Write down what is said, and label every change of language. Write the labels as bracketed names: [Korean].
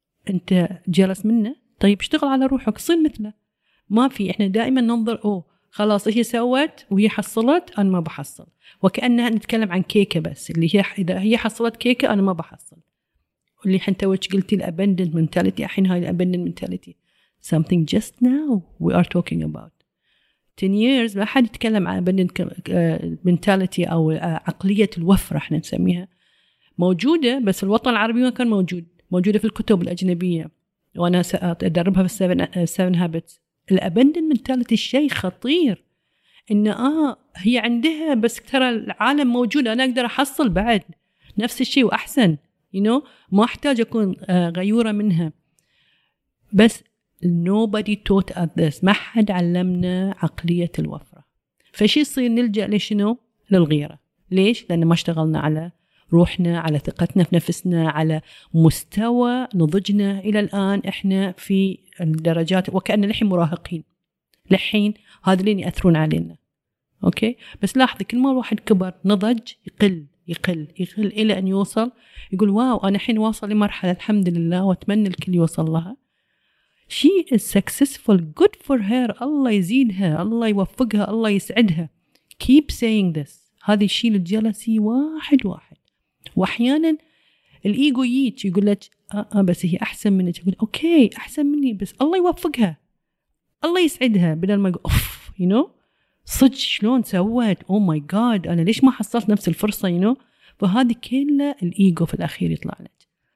[Arabic] أنت جلس منه طيب اشتغل على روحك صير مثله. ما في احنا دائما ننظر اوه خلاص هي سوت وهي حصلت انا ما بحصل. وكأنها نتكلم عن كيكة بس اللي هي اذا هي حصلت كيكة انا ما بحصل. واللي حين توج قلتي الابندنت منتاليتي الحين هاي الابندنت منتاليتي. [English] Something just now we are talking about. [Arabic] 10 years ما حد يتكلم عن ابندنت منتاليتي او عقلية الوفرة احنا نسميها. موجودة بس الوطن العربي ما كان موجود. موجودة في الكتب الاجنبية. وأنا أدربها في seven habits. الأبندن منتاليتي الشيء خطير إن هي عندها بس ترى العالم موجود أنا أقدر أحصل بعد نفس الشيء وأحسن ما أحتاج أكون غيورة منها. [English] بس nobody taught at this. [Arabic] ما حد علمنا عقلية الوفرة. فشي يصير نلجأ لشنو للغيرة. ليش؟ لأن ما اشتغلنا على روحنا على ثقتنا في نفسنا على مستوى نضجنا. إلى الآن إحنا في الدرجات وكأن لحين مراهقين لحين هذين يأثرون علينا. أوكي بس لاحظي كل ما الواحد كبر نضج يقل يقل يقل إلى أن يوصل يقول واو أنا حين واصل لمرحلة الحمد لله وأتمنى الكل يوصل لها. [English] She is successful, good for her. [Arabic] الله يزيدها الله يوفقها الله يسعدها. [English] Keep saying this. [Arabic] هذه الشيء للجلسي واحد واحد. واحيانا الايجو ييجي يقول لك بس هي احسن منك. يقول اوكي احسن مني بس الله يوفقها الله يسعدها بدل ما يقول اوف صدق شلون سوت او ماي جاد انا ليش ما حصلت نفس الفرصه فهذه كلها الايجو في الاخير يطلع لك.